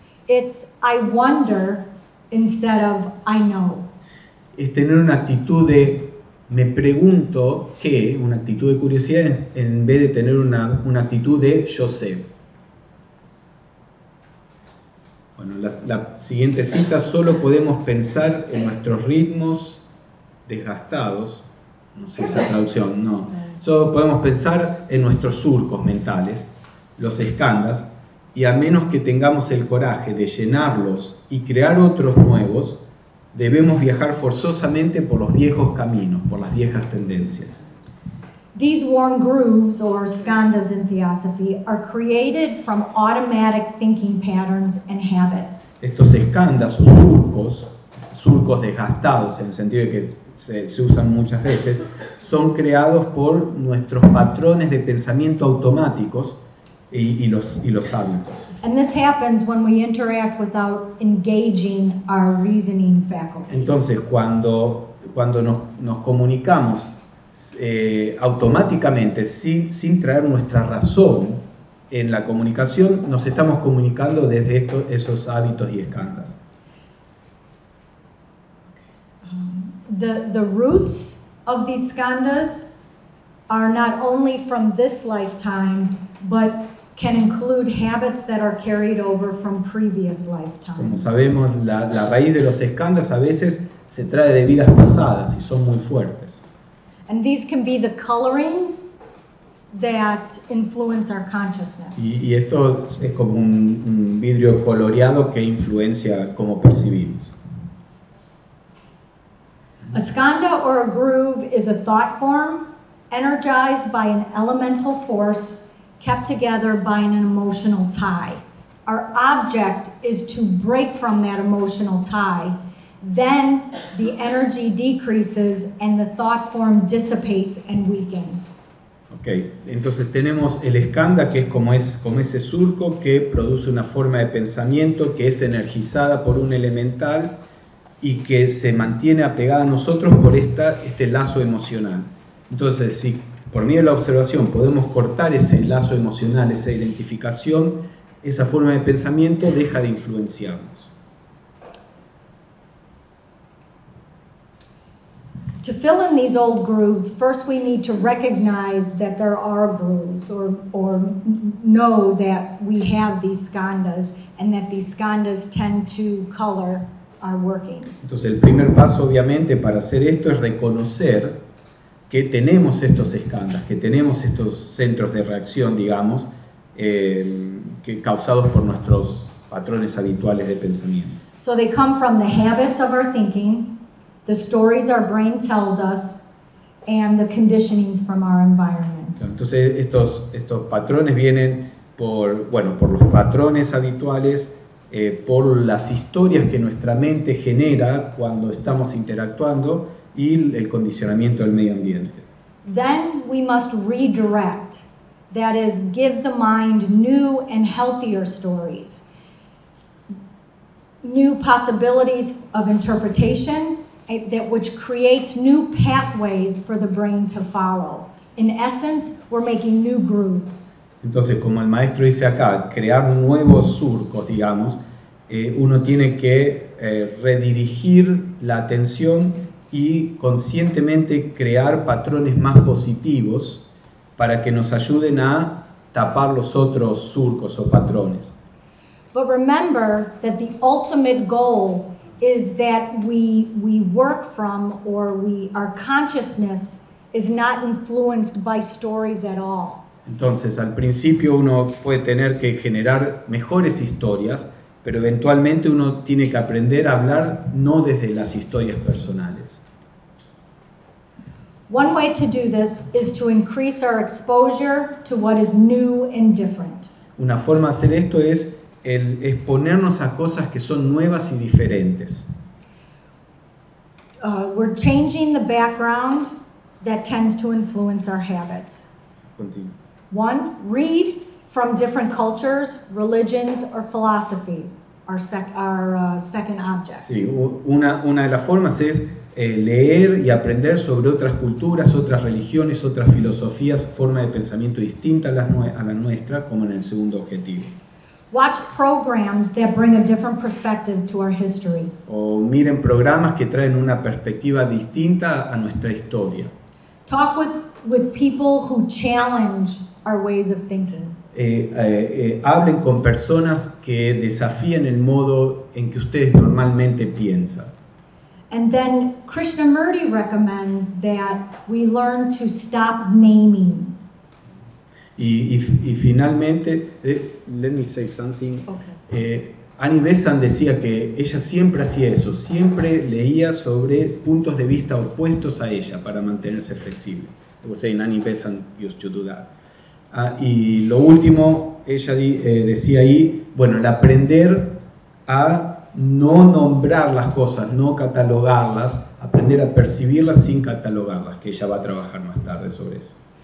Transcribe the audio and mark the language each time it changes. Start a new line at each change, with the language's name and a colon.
English: It's I wonder instead of I know.
Spanish: Es tener una actitud de me pregunto qué, una actitud de curiosidad en vez de tener una actitud de yo sé. Bueno, la siguiente cita, solo podemos pensar en nuestros ritmos desgastados, no sé esa traducción, no. Solo podemos pensar en nuestros surcos mentales, los escandas, y a menos que tengamos el coraje de llenarlos y crear otros nuevos, debemos viajar forzosamente por los viejos caminos, por las viejas tendencias.
English: These worn grooves or skandhas in theosophy are created from automatic thinking patterns and habits.
Spanish: Estos skandhas o surcos surcos desgastados, en el sentido de que se usan muchas veces, son creados por nuestros patrones de pensamiento automáticos y los hábitos.
English: And this happens when we interact without engaging our reasoning faculties.
Spanish: Entonces, cuando nos comunicamos automáticamente, sin traer nuestra razón en la comunicación, nos estamos comunicando desde esos hábitos y escandas.
English: The roots of these skandhas are not only from this lifetime, but can include habits that are carried over from previous lifetimes.
Spanish: Como sabemos, la raíz de los skandhas a veces se trae de vidas pasadas y son muy fuertes.
English: And these can be the colorings that influence our consciousness.
Spanish: Y esto es como un vidrio coloreado que influencia cómo percibimos.
English: A skanda or a groove is a thought form energized by an elemental force kept together by an emotional tie. Our object is to break from that emotional tie. Then the energy decreases and the thought form dissipates and weakens.
Spanish: Okay, entonces tenemos el skanda, que es como ese surco que produce una forma de pensamiento que es energizada por un elemental y que se mantiene apegada a nosotros por este lazo emocional. Entonces, si por medio de la observación podemos cortar ese lazo emocional, esa identificación, esa forma de pensamiento deja de influenciarnos.
English: To fill in these old grooves, first we need to recognize that there are grooves, or know that we have these skandhas, and that these skandhas tend to color our workings.
Spanish: Entonces, el primer paso, obviamente, para hacer esto es reconocer que tenemos estos skandhas, que tenemos estos centros de reacción, digamos, que causados por nuestros patrones habituales de pensamiento.
English: So they come from the habits of our thinking, the stories our brain tells us, and the conditionings from our environment.
Spanish: Entonces, estos patrones vienen por los patrones habituales, por las historias que nuestra mente genera cuando estamos interactuando y el condicionamiento del medio ambiente.
English: Then we must redirect, that is, give the mind new and healthier stories, new possibilities of interpretation, that which creates new pathways for the brain to follow. In essence, we're making new grooves.
Spanish: Entonces, como el maestro dice acá, crear nuevos surcos, digamos, uno tiene que redirigir la atención y conscientemente crear patrones más positivos para que nos ayuden a tapar los otros surcos o patrones.
English: But remember that the ultimate goal is that we work from, or we, our consciousness is not influenced by stories at all.
Spanish: Entonces, al principio uno puede tener que generar mejores historias, pero eventualmente uno tiene que aprender a hablar no desde las historias personales.
English: One way to do this is to increase our exposure to what is new and different.
Spanish: Una forma de hacer esto es el exponernos a cosas que son nuevas y diferentes.
English: We're changing the background that tends to influence our habits. Continue. One, read from different cultures, religions, or philosophies, our second object.
Spanish: Sí, una de las formas es leer y aprender sobre otras culturas, otras religiones, otras filosofías, forma de pensamiento distinta a la nuestra, como en el segundo objetivo.
English: Watch programs that bring a different perspective to our history.
Spanish: O miren programas que traen una perspectiva distinta a nuestra historia.
English: Talk with people who challenge our ways of thinking.
Spanish: Hablen con personas que desafíen el modo en que ustedes normalmente piensan.
English: And then Krishnamurti recommends that we learn to stop naming.
Spanish: Y finalmente,
English: let me say something. Okay.
Spanish: Annie Besant decía que ella siempre hacía eso, siempre leía sobre puntos de vista opuestos a ella para mantenerse flexible. O sea, en
English: Annie Besant used to do that.
Spanish: Y lo último, ella decía ahí, bueno, el aprender a no nombrar las cosas, no catalogarlas, aprender a percibirlas sin catalogarlas, que ella va a trabajar más tarde sobre eso.